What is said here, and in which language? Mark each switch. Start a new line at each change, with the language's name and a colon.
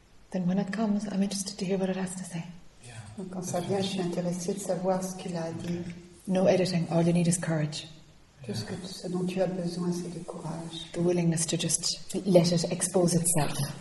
English: Then when it comes, I'm interested to hear what it has to say. Yeah.
French: Quand ça vient, je suis intéressée de savoir ce qu'il a à dire.
English: No editing. All you need is courage.
French: Tout ce dont tu as besoin, c'est du courage.
English: The willingness to just let it expose itself.